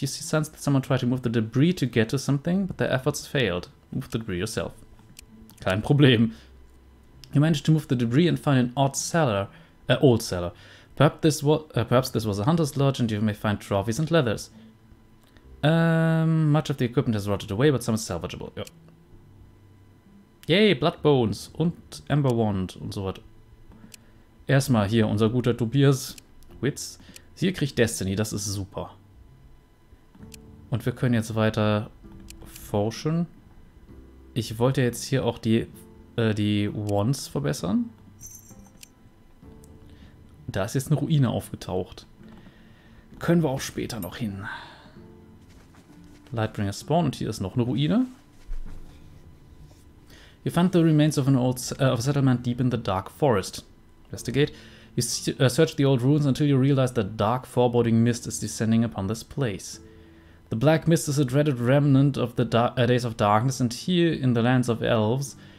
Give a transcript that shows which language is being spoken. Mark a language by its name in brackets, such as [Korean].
[English] You see sense that someone tried to move the debris to get to something, but their efforts failed. Move the debris yourself. [German] Kein Problem. [English] You managed to move the debris and find an odd cellar, old cellar. Perhaps this was a hunter's lodge, and you may find trophies and leathers. Much of the equipment has rotted away, but some is salvageable. Yep. [German] Yay, blood bones und Ember Wand und so wat. Erstmal hier unser guter Tobias Witz. Hier kriegt Destiny, das ist super. Und wir können jetzt weiter forschen. Ich wollte jetzt hier auch die Wands verbessern. Da ist jetzt eine Ruine aufgetaucht. Können wir auch später noch hin. Lightbringer Spawn und hier ist noch eine Ruine. [English] You found the remains of an old of a settlement deep in the dark forest. Investigate. You search the old ruins until you realize the dark foreboding mist is descending upon this place. The black mist is a dreaded remnant of the days of darkness and here in the lands of elves.